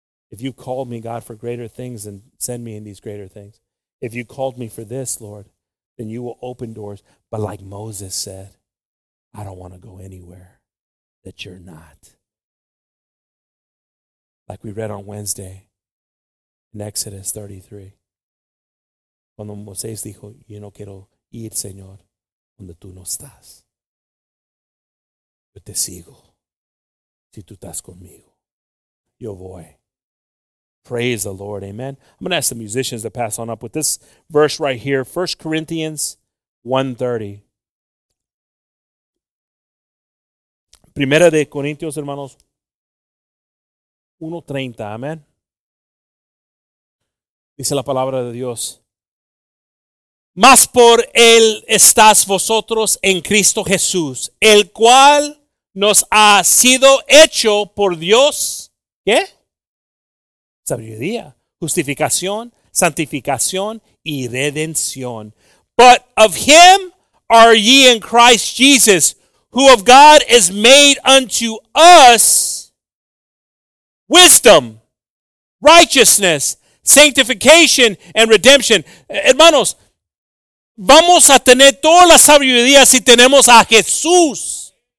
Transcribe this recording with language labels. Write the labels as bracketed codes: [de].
[en] If you called me, God, for greater things, then send me in these greater things. If you called me for this, Lord, then you will open doors. But like Moses said, I don't want to go anywhere that you're not. Like we read on Wednesday in Exodus 33. [es] Cuando Moisés dijo, yo no quiero ir, Señor, donde tú no estás. Yo te sigo. Si tú estás conmigo, yo voy. [en] Praise the Lord. Amen. I'm going to ask the musicians to pass on up with this verse right here. 1 Corinthians 1:30. [es] Primera de Corintios, hermanos, 1:30, amén. Dice la palabra de Dios. Mas por Él estás vosotros en Cristo Jesús, el cual nos ha sido hecho por Dios, ¿qué? Sabiduría, justificación, santificación y redención. [en] But of Him are ye in Christ Jesus, who of God is made unto us wisdom, righteousness, sanctification, and redemption. [es] Hermanos, vamos a tener toda la sabiduría si tenemos a Jesús.